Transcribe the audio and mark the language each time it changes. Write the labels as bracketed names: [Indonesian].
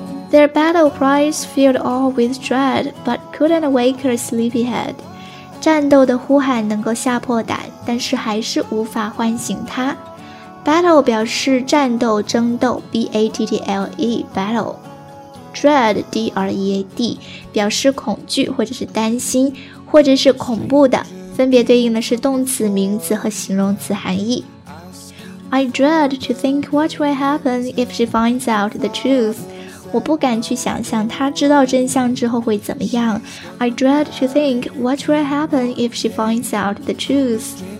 [English] Their battle cries filled all with dread, but couldn't wake her sleepy head. [Chinese] 战斗的呼喊能够吓破胆，但是还是无法唤醒她。 Battle 表示战斗、争斗 ，battle battle。 Dread dread 表示恐惧或者是担心，或者是恐怖的，分别对应的是动词、名词和形容词含义。 [English] I dread to think what will happen if she finds out the truth. [Chinese] 我不敢去想象她知道真相之后会怎么样。 [English] I dread to think what will happen if she finds out the truth。